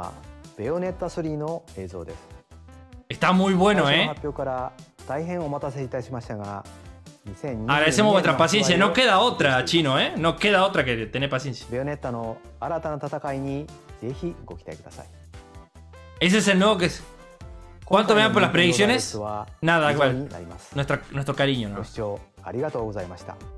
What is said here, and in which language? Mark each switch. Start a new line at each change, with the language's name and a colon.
Japanese: ご覧いただいたのはベヨネッタ3の映像です.
Spanish: Está muy bueno, Agradecemos vuestra paciencia, no queda otra, chino, ¿eh? No queda otra que tener paciencia.
Japanese: ベヨネッタの新たな戦いにぜひご期待ください.
Spanish: Ese es el nuevo que es. ¿Cuánto me dan por las predicciones? Nada, igual. Nuestro cariño, ¿no?
Japanese: ご視聴ありがとうございました.